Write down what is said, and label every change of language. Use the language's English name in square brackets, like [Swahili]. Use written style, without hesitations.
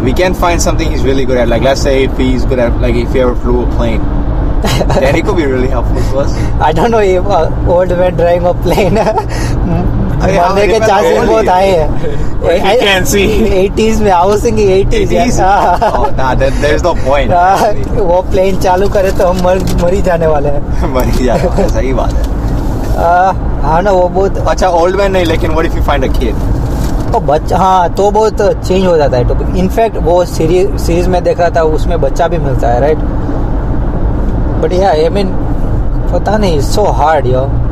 [English] We can find something he's really good at. Like, let's say if he's good at, like, if he ever flew a plane, then he could be really helpful to us. I don't know if old man driving a plane. [Hindi] मरने के chances बहुत आए [English] हैं। I can't see. 80s में, I was thinking 80s. 80s? Oh, nah, there's no point. [Hindi] वो plane चालू करे तो हम मरी जाने वाले हैं। मरी जाने वाले, सही बात है। हाँ ना, वो बहुत अच्छा ओल्ड मैन नहीं, लेकिन [English] what if you find a kid? [Hindi] तो बच्चा, हाँ, तो बहुत चेंज हो जाता है टॉपिक। [English] In fact, [Hindi] वो सीरीज में देख रहा था, उसमें बच्चा भी मिलता है, right? [English] But yeah, I mean, [Hindi] पता नहीं, [English] it's so hard, yo.